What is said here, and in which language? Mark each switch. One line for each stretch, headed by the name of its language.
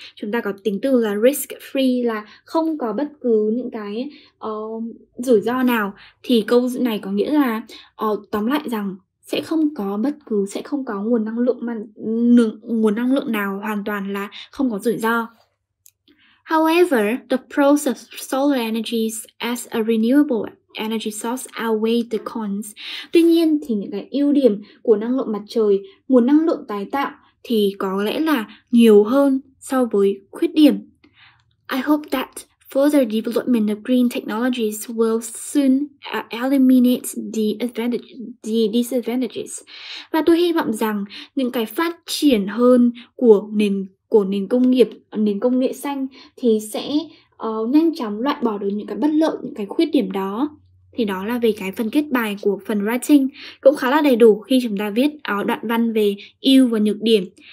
Vietnamese: Chúng ta có tính từ là risk-free, là không có bất cứ những cái rủi ro nào. Thì câu này có nghĩa là tóm lại rằng sẽ không có nguồn năng lượng nào hoàn toàn là không có rủi ro.
English: However, the pros of solar energy as a renewable energy source outweigh the cons.
Vietnamese: Tuy nhiên thì những cái ưu điểm của năng lượng mặt trời, nguồn năng lượng tái tạo thì có lẽ là nhiều hơn so với khuyết điểm.
English: I hope that further development of green technologies will soon eliminate the disadvantages.
Vietnamese: Và tôi hy vọng rằng những cái phát triển hơn của nền công nghệ xanh thì sẽ nhanh chóng loại bỏ được những cái bất lợi, những cái khuyết điểm đó. Thì đó là về cái phần kết bài của phần writing, cũng khá là đầy đủ khi chúng ta viết đoạn văn về ưu và nhược điểm.